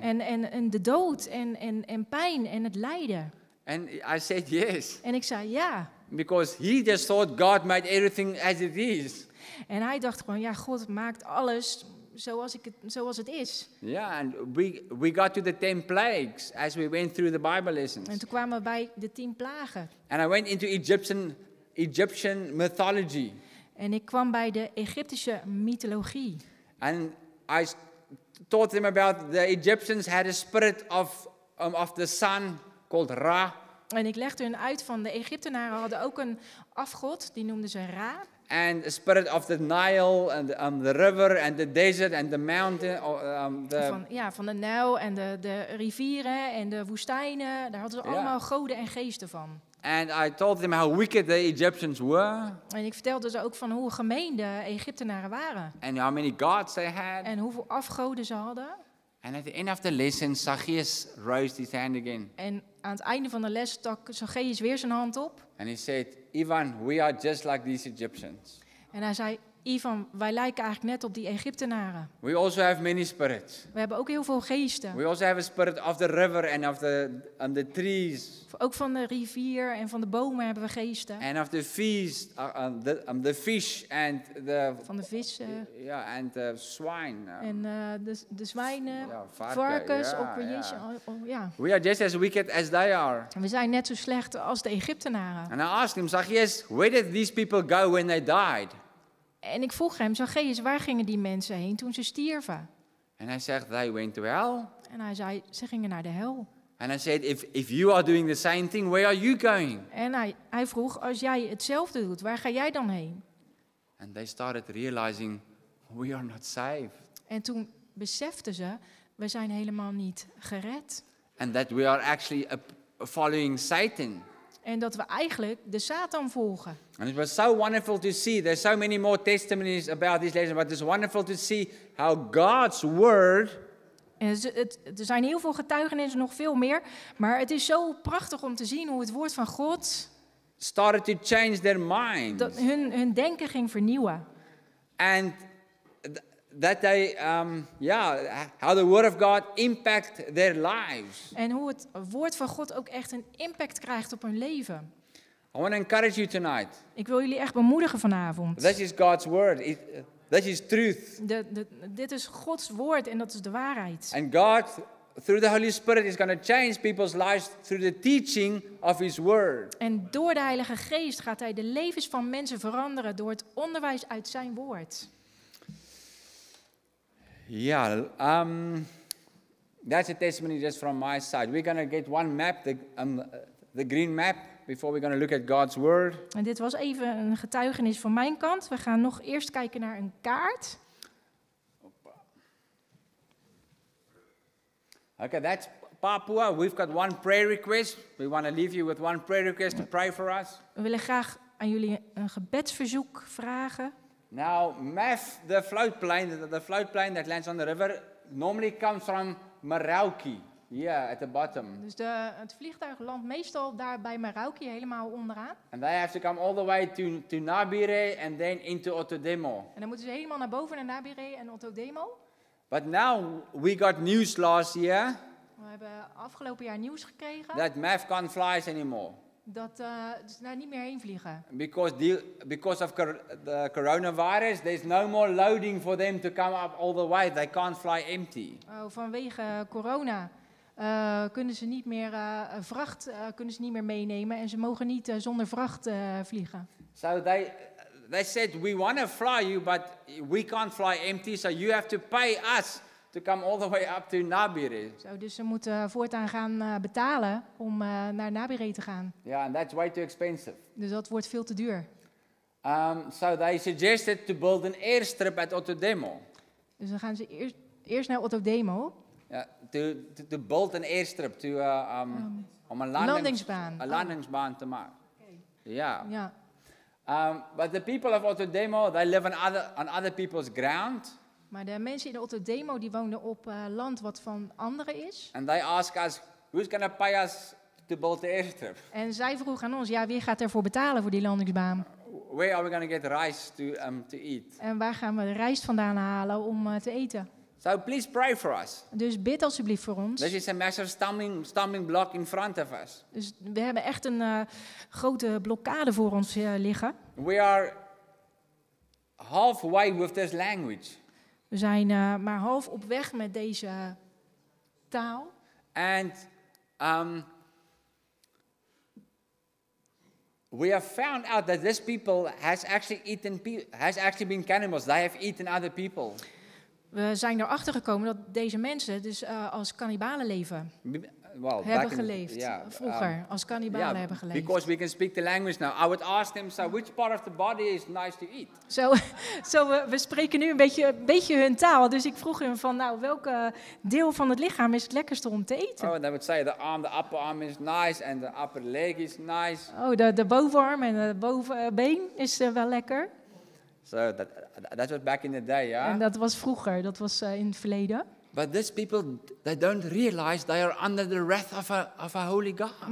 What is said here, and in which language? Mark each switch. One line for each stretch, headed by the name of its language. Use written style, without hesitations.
Dutch: En de dood en pijn en het lijden.
English: And I said yes.
Dutch: En ik zei ja.
English: Because he just thought God made everything as it is.
Dutch: En hij dacht gewoon, ja, God maakt alles zoals het is.
English: Ja, yeah, and we got to the 10 plagues as we went through the Bible lessons.
Dutch: En toen kwamen we bij de 10 plagen.
English: And I went into Egyptian mythology.
Dutch: En ik kwam bij de Egyptische mythologie.
English: And I taught them about the Egyptians had a spirit of the sun called Ra.
Dutch: En ik legde hun uit van de Egyptenaren hadden ook een afgod, die noemden ze Ra.
English: And the spirit of the Nile and the river and the desert and the mountain.
Dutch: Van de Nijl en de rivieren en de woestijnen, daar hadden ze allemaal goden en geesten van.
English: And I told them how wicked the Egyptians were.
Dutch: En ik vertelde ze ook van hoe gemeen de Egyptenaren waren.
English: And how many gods they had.
Dutch: En hoeveel afgoden ze hadden.
English: And at the end of the lesson, Zacchaeus raised his hand again.
Dutch: En aan het einde van de les stak Zacchaeus weer zijn hand op.
English: And he said, Ivan, we are just like these Egyptians.
Dutch: En hij zei, Ivan, wij lijken eigenlijk net op die Egyptenaren.
English: We also have many spirits.
Dutch: We hebben ook heel veel geesten.
English: We also have a spirit of the river and of the trees.
Dutch: Ook van de rivier en van de bomen hebben we geesten.
English: And of the fish, the fish and the
Dutch: van de vissen.
English: Ja, yeah, and the swine.
Dutch: En de zwijnen, varkens,
English: We are just as wicked as they are.
Dutch: En we zijn net zo slecht als de Egyptenaren.
English: And I asked him, Zacchaeus, where did these people go when they died?
Dutch: En ik vroeg hem, Zacchaeus, waar gingen die mensen heen toen ze stierven?
English: And I said, they went to hell.
Dutch: En hij zei, ze gingen naar de hel.
English: And I said, if you are doing the same thing, where are you going?
Dutch: En hij vroeg, als jij hetzelfde doet, waar ga jij dan heen?
English: And they started realizing, we are not saved.
Dutch: En toen beseften ze, we zijn helemaal niet gered.
English: And that we are actually following Satan.
Dutch: En dat we eigenlijk de Satan volgen.
English: And it was so wonderful to see. There's so many more testimonies about these lessons, but it's wonderful to see how God's word.
Dutch: En er zijn heel veel getuigenissen, nog veel meer, maar het is zo prachtig om te zien hoe het woord van God
English: started to change their minds.
Dutch: Dat hun denken ging vernieuwen.
English: And that they, how the word of God impact their lives.
Dutch: En hoe het woord van God ook echt een impact krijgt op hun leven.
English: I want to encourage you tonight.
Dutch: Ik wil jullie echt bemoedigen vanavond.
English: This is God's word. This is truth.
Dutch: Dit is Gods woord en dat is de waarheid.
English: And God, through the Holy Spirit, is going to change people's lives through the teaching of His word.
Dutch: En door de Heilige Geest gaat Hij de levens van mensen veranderen door het onderwijs uit Zijn woord.
English: Ja, that's a testimony just from my side. We're going to get one map, the green map, before we're going to look at God's word.
Dutch: En dit was even een getuigenis van mijn kant. We gaan nog eerst kijken naar een kaart.
English: Okay, that's Papua. We've got one prayer request. We want to leave you with one prayer request to pray for us.
Dutch: We willen graag aan jullie een gebedsverzoek vragen.
English: Now, MAF, the floatplane that lands on the river, normally comes from Merauke, at the bottom.
Dutch: Dus het vliegtuig landt meestal daar bij Merauke, helemaal onderaan.
English: And they have to come all the way to Nabire and then into Otodemo.
Dutch: En dan moeten ze helemaal naar boven naar Nabire en Otodemo.
English: But now, we got news last year.
Dutch: We hebben afgelopen jaar nieuws gekregen.
English: That MAF can't fly anymore.
Dutch: Dat ze daar niet meer heen vliegen.
English: Because of the coronavirus, there's no more loading for them to come up all the way. They can't fly empty.
Dutch: Oh, vanwege corona kunnen ze niet meer vracht kunnen ze niet meer meenemen en ze mogen niet zonder vracht vliegen.
English: So they said we want to fly you, but we can't fly empty, so you have to pay us to come all the way up to Nabire.
Dutch: So, dus ze moeten voortaan gaan betalen om naar Nabire te gaan.
English: Yeah, and that's way too expensive.
Dutch: Dus dat wordt veel te duur.
English: So they suggested to build an airstrip at Otodemo.
Dutch: Dus dan gaan ze eerst naar Otodemo.
English: Yeah, to build an airstrip, to
Dutch: om een landingsbaan. Een landingsbaan te maken.
English: Okay. Yeah.
Dutch: Ja.
English: But the people of Otodemo, they live on other people's ground.
Dutch: Maar de mensen in Otodemo die woonden op land wat van anderen is.
English: And they ask us, who's gonna pay us to build the airstrip?
Dutch: En zij vroegen aan ons, ja, wie gaat ervoor betalen voor die landingsbaan?
English: Where are we gonna get rice to eat?
Dutch: En waar gaan we de rijst vandaan halen om te eten?
English: So please pray for us.
Dutch: Dus bid alsjeblieft voor ons.
English: This is a massive stumbling block in front of us.
Dutch: Dus we hebben echt een grote blokkade voor ons liggen.
English: We are halfway with this language.
Dutch: We zijn maar half op weg met deze taal.
English: And we have found out that this people has actually been cannibals. They have eaten other people.
Dutch: We zijn erachter gekomen dat deze mensen dus als kannibalen leven. Hebben geleefd. Vroeger als kannibalen hebben geleefd.
English: Because we can speak the language now. I would ask them, so which part of the body is nice to eat?
Dutch: We spreken nu een beetje hun taal. Dus ik vroeg hun van, nou, welke deel van het lichaam is het lekkerste om te eten?
English: Oh, they would say the arm, the upper arm is nice and the upper leg is nice.
Dutch: Oh, de bovenarm en de bovenbeen is wel lekker.
English: So that was back in the day, yeah.
Dutch: En dat was vroeger, dat was in het verleden.
English: But these people, they don't realize they are under the wrath of a holy God.